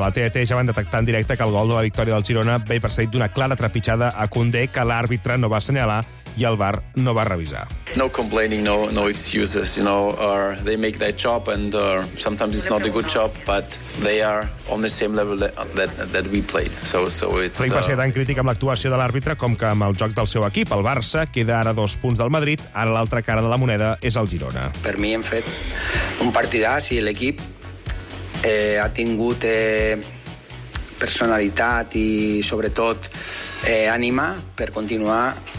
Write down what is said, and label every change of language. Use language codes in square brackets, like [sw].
[ca] La TET ja van detectar en directe que el gol de la victòria del Girona ve precedit d'una clara trepitjada a Koundé que l'àrbitre no va assenyalar i el VAR no va revisar. [en] No complaining, no excuses, you know, or they make their job and sometimes it's not a good job, but they are on the same level that we played. So it's [ca] Flick va ser tan crític amb l'actuació de l'àrbitre com que amb el joc del seu equip, el Barça, queda ara 2 punts del Madrid, ara l'altra cara de la moneda és el Girona. Per mi hem fet un partidàs i l'equip ha tingut personalitat i sobretot ànima per continuar.